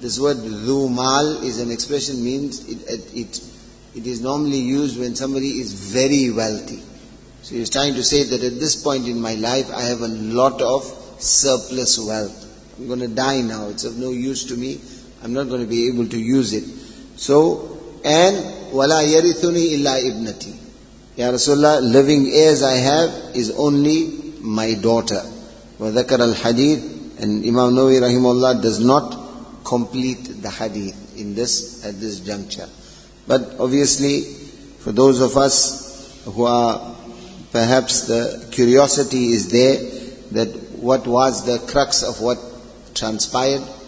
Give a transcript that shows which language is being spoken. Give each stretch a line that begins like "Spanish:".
English: This word, ذُو مَال, is an expression, means it is normally used when somebody is very wealthy. So he's trying to say that at this point in my life, I have a lot of surplus wealth. I'm going to die now. It's of no use to me. I'm not going to be able to use it. So, and
Arabic: وَلَا يَرِثُنِي إِلَّا إِبْنَتِي.
English: Ya Rasulullah, living heirs I have is only my daughter.
Arabic: وَذَكَرَ الْحَدِيثِ.
English: And Imam Nawawi rahimahullah does not complete the hadith in this, at this juncture. But obviously, for those of us who are, perhaps the curiosity is there, that what was the crux of what transpired.